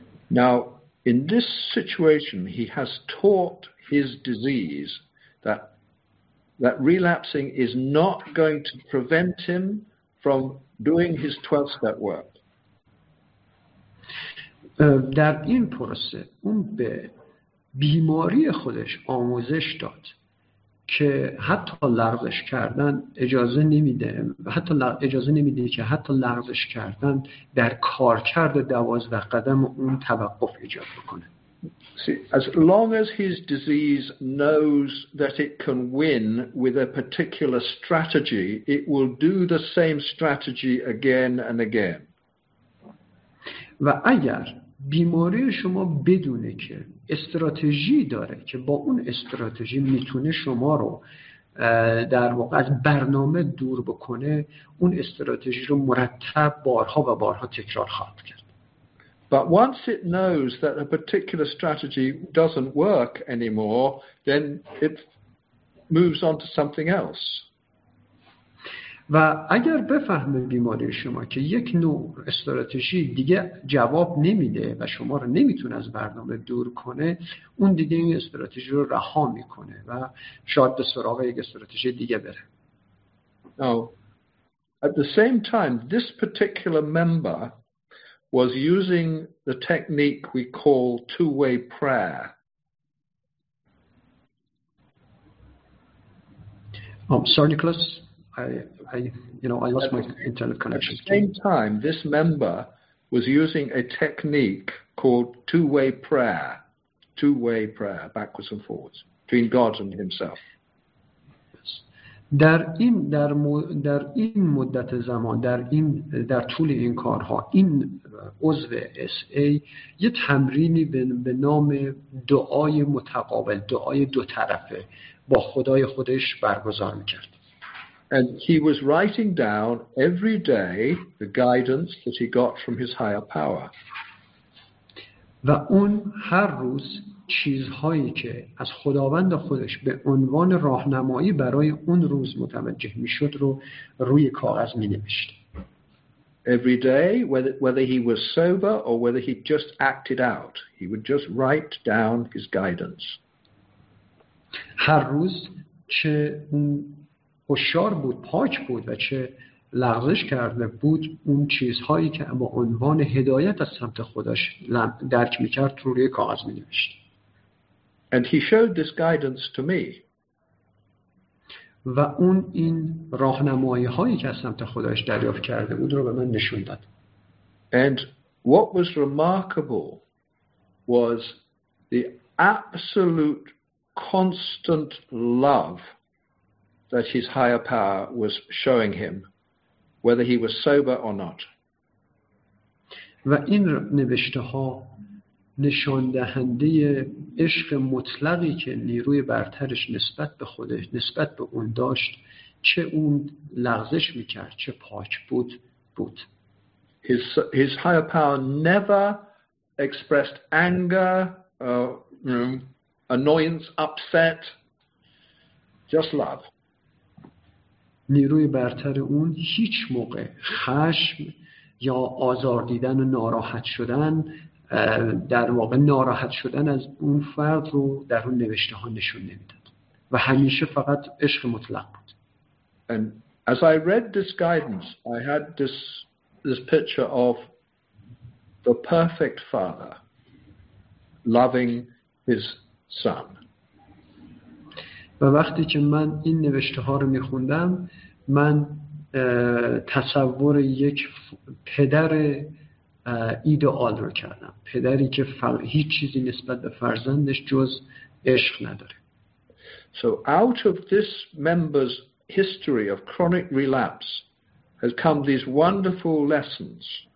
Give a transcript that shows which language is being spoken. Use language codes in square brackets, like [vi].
[en] Now in this situation he has taught his disease that relapsing is not going to prevent him from doing his 12 step work. [fa] در این پروسه اون به بیماری خودش آموزش داد که حتی لغزش کردن اجازه نمیده و حتی اجازه نمیده که حتی لغزش کردن در کارکرد 12 قدم اون توقف ایجاد بکنه. [en] See, as long as his disease knows that it can win with a particular strategy, it will do the same strategy again and again. [fa] و اگر بیماری شما بدونه که استراتژی داره که با اون استراتژی میتونه شما رو در واقع از برنامه دور بکنه، اون استراتژی رو مرتب بارها و بارها تکرار خواهد کرد. [en] But once it knows that a particular strategy doesn't work anymore, then it moves on to something else. [fa] و اگر بفهمه بیماری شما که یک نوع استراتژی دیگه جواب نمیده و شما رو نمیتونه از برنامه دور کنه، اون دیگه این استراتژی رو رها میکنه و شاید به سراغ یک استراتژی دیگه بره. [en] Now, at the same time, this particular member was using the technique we call two-way prayer. Sorry, Nicholas. I lost my internet connection. At the same time, this member was using a technique called two-way prayer. Two-way prayer, backwards and forwards, between God and himself. [fa] در این مدت زمان، در طول این کارها، این عضو اس ای یه تمرینی به نام دعای متقابل، دعای دو طرفه با خدای خودش برگزار می‌کرد. [en] And he was writing down every day the guidance that he got from his higher power. [fa] و اون هر روز چیزهایی که از خداوند خودش به عنوان راهنمایی برای اون روز متوجه میشد رو روی کاغذ می نوشت. [en] Every day, whether he was sober or whether he just acted out, he would just write down his guidance. [fa] هر روز چه اون هوشیار بود، پاک بود و چه لغزش کرده بود، اون چیزهایی که با عنوان هدایت از سمت خودش درک می کرد روی کاغذ می نوشت. [en] And he showed this guidance to me. [fa] و اون این راهنمایی‌هایی که از سمت خودش دریافت کرده بود رو به من نشون داد. [en] And what was remarkable was the absolute constant love that his higher power was showing him, whether he was sober or not. [fa] و این نوشته‌ها نشان دهنده عشق مطلقی که نیروی برترش نسبت به خودش نسبت به اون داشت، چه اون لغزش میکرد چه پاک بود بود. [en] His higher power never expressed anger, annoyance, upset, just love. [fa] نیروی برتر اون هیچ موقع خشم یا آزار دیدن و ناراحت شدن، در واقع ناراحت شدن از اون فرد رو در اون نوشته ها نشون نمیداد و همیشه فقط عشق مطلق بود. [en] And as I read this guidance, I had this picture of the perfect father loving his son. [fa] و وقتی که من این نوشته ها رو میخوندم، من تصور یک پدر ایدئال رو کردم، پدری که هیچ چیزی نسبت به فرزندش جز عشق نداره. [en] So out of this member's history of chronic relapse has come these wonderful lessons.